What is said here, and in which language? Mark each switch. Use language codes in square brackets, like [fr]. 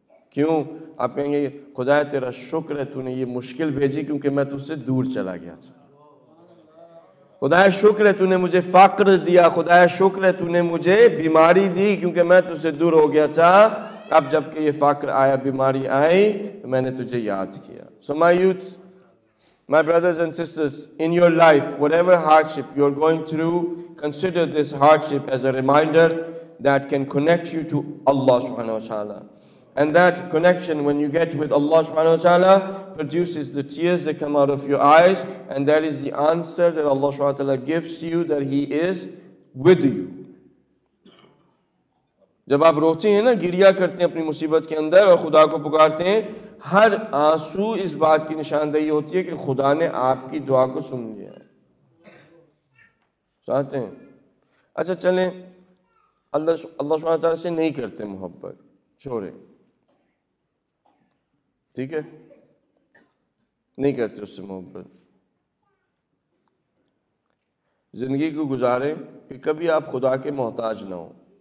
[ur] کیوں؟ آپ کہیں گے خدا تیرا شکر ہے تو نے یہ مشکل بھیجی کیونکہ میں تجھ سے دور چلا گیا تھا. خدا شکر ہے تو نے مجھے فقر دیا, خدا شکر ہے تو نے مجھے بیماری دی کیونکہ میں تجھ سے دور ہو گیا تھا. اب جب کہ یہ فقر آیا, بیماری آئی, تو میں نے تجھے یاد کیا. [en] So my youth, my brothers and sisters, in your life, whatever hardship you're going through, consider this hardship as a reminder that can connect you to Allah subhanahu wa ta'ala. And that connection, when you get with Allah subhanahu wa ta'ala, produces the tears that come out of your eyes, and that is the answer that Allah subhanahu wa ta'ala gives you, that He is with you. [ur] جب آپ روتے ہیں نا, گریا کرتے ہیں اپنی مصیبت کے اندر اور خدا کو پکارتے ہیں, ہر آنسو اس بات کی نشاندہی ہوتی ہے کہ خدا نے آپ کی دعا کو سن لیا ہے. چاہتے ہیں, اچھا چلیں, اللہ سبحانہ وتعالیٰ سے نہیں کرتے محبت, چھوڑے, ٹھیک ہے, نہیں کرتے اس سے محبت, زندگی کو گزاریں کہ کبھی آپ خدا کے محتاج نہ ہوں.